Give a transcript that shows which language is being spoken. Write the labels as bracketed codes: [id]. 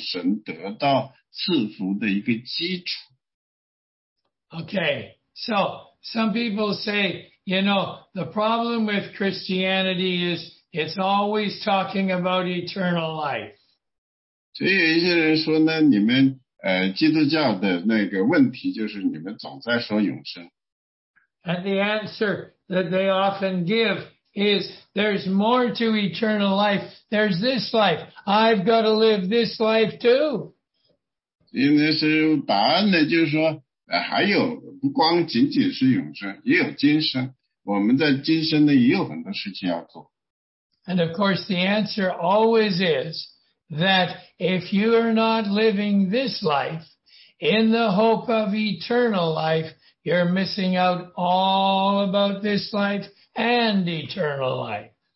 [zh] 实际上呢，这所有的永生呢，是所有的一切的敬虔的人从神得到赐福的一个基础。 [en] Okay, so some people say, you know, the problem with Christianity is it's always talking about eternal life. [zh] 所以有一些人说呢，你们基督教的那个问题就是你们总在说永生。 [en] And the answer that they often give is there's more to eternal life. There's this life. I've got to live this life too. [zh] 因为是答案呢，就是说还有不光仅仅是永生，也有今生。 [en] And of course, the answer always is that if you are not living this life in the hope of eternal life, you're missing out all about this life and eternal life.